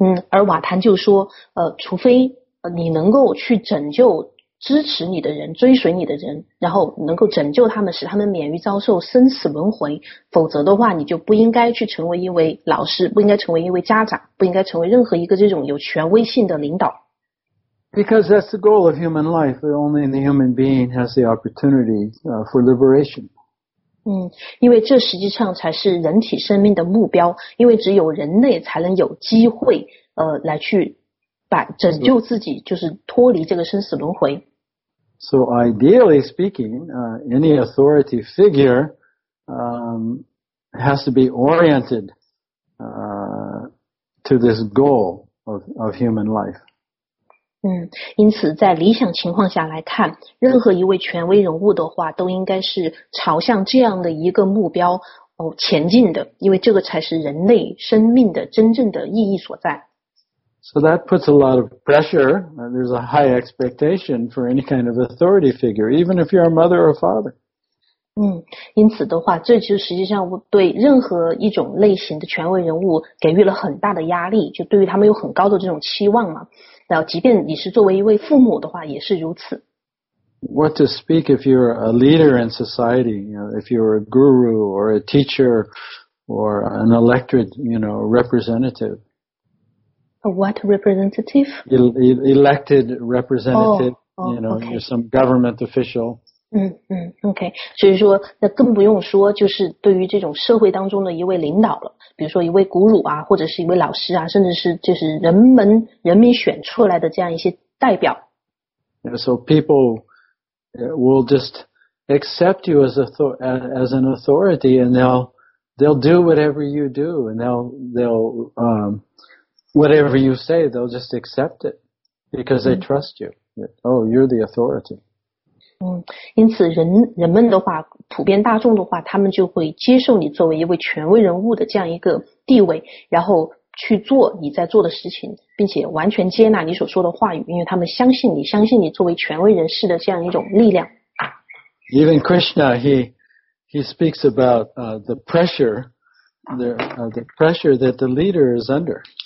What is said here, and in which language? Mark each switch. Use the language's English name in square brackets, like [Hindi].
[Chinese] 而瓦坛就说除非你能够去拯救支持你的人追随你的人，然后能够拯救他们使他们免于遭受生死轮回，否则的话你就不应该去成为一位老师，不应该成为一位家长，不应该成为任何一个这种有权威性的领导。 [English] Because that's the goal of human life. Only the human being has the opportunity for liberation. [Chinese] 因为这实际上才是人体生命的目标，因为只有人类才能有机会来去拯救自己，就是脱离这个生死轮回。 [English] So ideally speaking, any authority figure has to be oriented to this goal of human life. [Chinese] 因此在理想情况下来看，任何一位权威人物的话都应该是朝向这样的一个目标前进的，因为这个才是人类生命的真正的意义所在。 [English] So that puts a lot of pressure, there's a high expectation for any kind of authority figure, even if you're a mother or a father. [Chinese] 因此的话，这就实际上对任何一种类型的权威人物给予了很大的压力，就对于他们有很高的这种期望嘛。然后即便你是作为一位父母的话也是如此。 [English] What to speak if you're a leader in society, you know, if you're a guru or a teacher or an elected, you know, representative. A what representative? Elected representative, you know, okay. You're some government official. Okay. [Chinese] 所以说那更不用说就是对于这种社会当中的一位领导了。比如说一位古鲁啊或者是一位老师啊甚至是就是人民选出来的这样一些代表。 [English] Yeah, so people will just accept you as an authority and they'll do whatever you do and whatever you say, they'll just accept it because they trust you. Oh, you're the authority. [Chinese] 因此人们的话普遍大众的话他们就会接受你作为一位权威人物的这样一个地位然后去做你在做的事情并且完全接纳你所说的话语因为他们相信你作为权威人士的这样一种力量。 [English] Even Krishna, he speaks about the pressure that the leader is under.